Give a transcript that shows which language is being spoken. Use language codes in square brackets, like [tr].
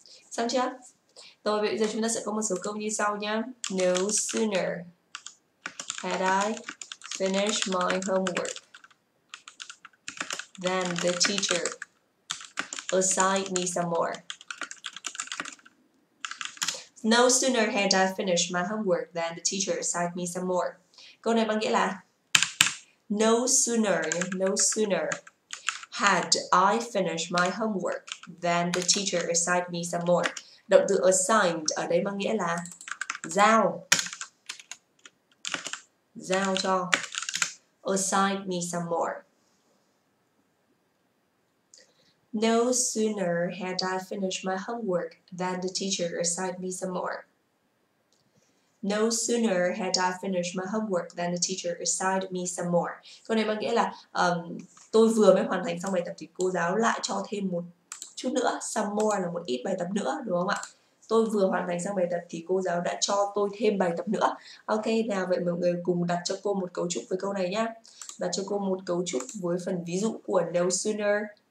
[vi] Xong chưa? Rồi bây giờ chúng ta sẽ có một số câu như sau nhé. [en] No sooner had I finished my homework than the teacher assigned me some more. No sooner had I finished my homework than the teacher assigned me some more. [vi] Câu này bằng nghĩa là [en] No sooner had I finished my homework than the teacher assigned me some more. [vi] Động từ assigned ở đây bằng nghĩa là giao. Giao cho. [en] Assigned me some more. No sooner had I finished my homework than the teacher assigned me some more. No sooner had I finished my homework than the teacher assigned me some more. [vi] Câu này có nghĩa là tôi vừa mới hoàn thành xong bài tập thì cô giáo lại cho thêm một chút nữa. [en] Some more [vi] là một ít bài tập nữa, đúng không ạ? Tôi vừa hoàn thành xong bài tập thì cô giáo đã cho tôi thêm bài tập nữa. Ok, nào vậy mọi người cùng đặt cho cô một cấu trúc với câu này nhé. Đặt cho cô một cấu trúc với phần ví dụ của no sooner.